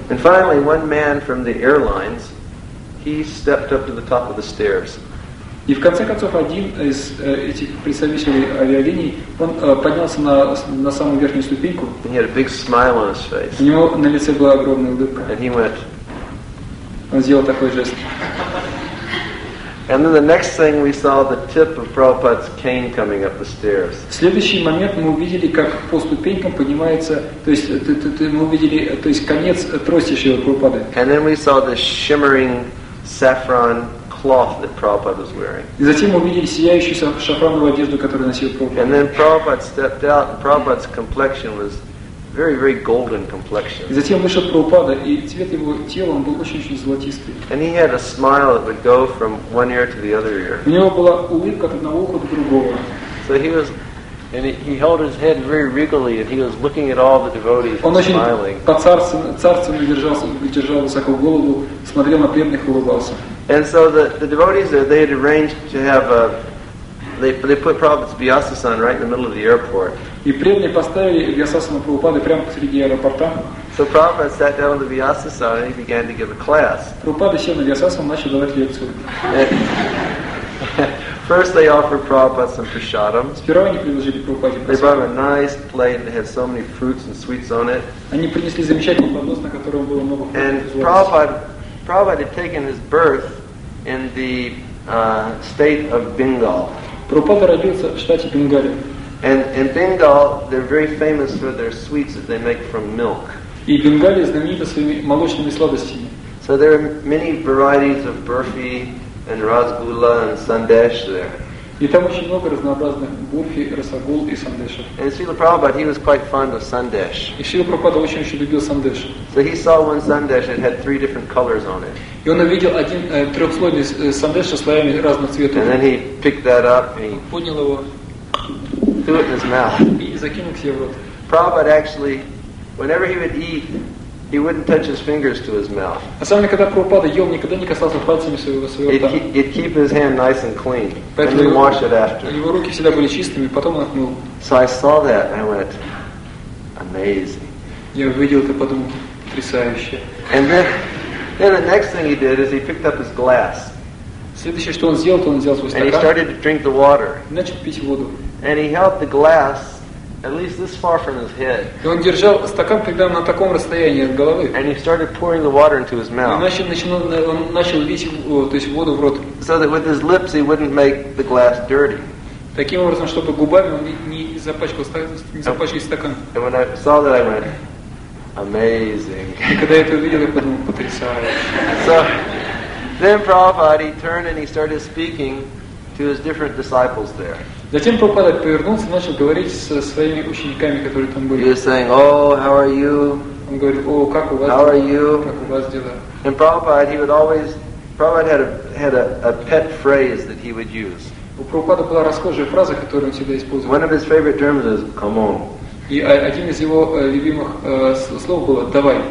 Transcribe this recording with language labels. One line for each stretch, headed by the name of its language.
English: And finally, one man from the airlines, he stepped up to the top of the stairs.
Russian: И в конце концов один из этих представителей авиалиний, он поднялся на самую верхнюю ступеньку.
English: And he had a big smile on his face.
Russian: У него на лице была огромная улыбка.
English: And he went.
Russian: Он сделал такой жест.
English: And then the next thing we saw the tip of Prabhupada's cane coming up the stairs.
Russian: В следующий момент мы увидели, как по ступенькам поднимается, то есть мы увидели, то есть конец трости Шрилы Прабхупады.
English: And then we saw the shimmering saffron cloth that Prabhupada was wearing.
Russian: И затем мы увидели сияющую шафрановую одежду, которую носил Прабхупада.
English: And then Prabhupada stepped out, and Prabhupada's complexion was very, very golden complexion.
Russian: И затем вышел Прабхупада, и цвет его тела он был очень-очень золотистый.
English: And he had a smile that would go from one ear to the other ear.
Russian: У него была улыбка от одного уха до другого.
English: So he was And he held his head very regally, and he was looking at all the devotees and smiling.
Russian: Держал высоко голову, смотрел на преданных, улыбался.
English: And so the devotees, they had arranged to have a... They put Prabhupada's Vyasasana right in the middle of the airport.
Russian: И преданные поставили Вьясасану Прабхупаду прямо посреди аэропорта.
English: So Prabhupada sat down on the Vyasasana and he began to give a class.
Russian: Прабхупада сел на Вьясасану, начал давать лекцию.
English: First they offered Prabhupada some prasadam.
Russian: Сперва они предложили Прабхупаде.
English: They brought a nice plate that had so many fruits and sweets on it.
Russian: Они принесли замечательный поднос, на котором было много фруктов.
English: And Prabhupada had taken his birth in the state of Bengal.
Russian: Прабхупада родился в штате Бенгалия.
English: And Bengal, they're very famous for their sweets that they make from milk.
Russian: И Бенгалия знаменита своими молочными сладостями.
English: So there are many varieties of burfi and rasgulla and sandesh there.
Russian: И там очень много разнообразных бурфи, расагул и сандеша.
English: And Srila Prabhupada, he was quite fond of sandesh.
Russian: И Srila Prabhupada очень любил сандеш.
English: So he saw one sandesh and it had three different colors on it.
Russian: И он увидел один трехслойный сандеш со слоями разных цветов.
English: And then he picked that up and he
Russian: понял его.
English: Threw it in his mouth.
Russian: И закинул себе в рот.
English: Prabhupada actually, whenever he would eat, he wouldn't touch his fingers to his mouth.
Russian: А сам когда Прабхупада ел, никогда не касался пальцами своего рта.
English: He'd keep his hand nice and clean, and then wash it after.
Russian: Его руки всегда были чистыми, потом он отмыл.
English: So I saw that and I went, amazing.
Russian: Я увидел это, подумал, потрясающе.
English: And then the next thing he did is he picked up his glass.
Russian: Следующее, что он сделал, то он взял свой стакан.
English: And he started to drink the water.
Russian: Начал пить воду.
English: And he held the glass at least this far from his head.
Russian: И он держал стакан примерно на таком расстоянии от головы.
English: And he started pouring the water into his mouth.
Russian: И он начал лить, то есть воду в рот.
English: So that with his lips he wouldn't make the glass dirty.
Russian: Таким образом, чтобы губами он не запачкал стакан.
English: And when I saw that, I went, amazing.
Russian: И когда я это увидел, я подумал, потрясающе.
English: Then Prabhupada, he turned and he started speaking to his different disciples there.
Russian: Затем Прабхупада повернулся и начал говорить со своими учениками, которые там были.
English: He was saying, oh, how are you?
Russian: Он говорит, о, как у вас
English: how
Russian: дела?
English: Are you?
Russian: Как у вас дела?
English: And Prabhupada, he would always, Prabhupada had a pet phrase that he would use.
Russian: У Прабхупады была расхожая фраза, которую он всегда использовал.
English: One of his favorite terms is, come on.
Russian: И один из его любимых слов было, давай.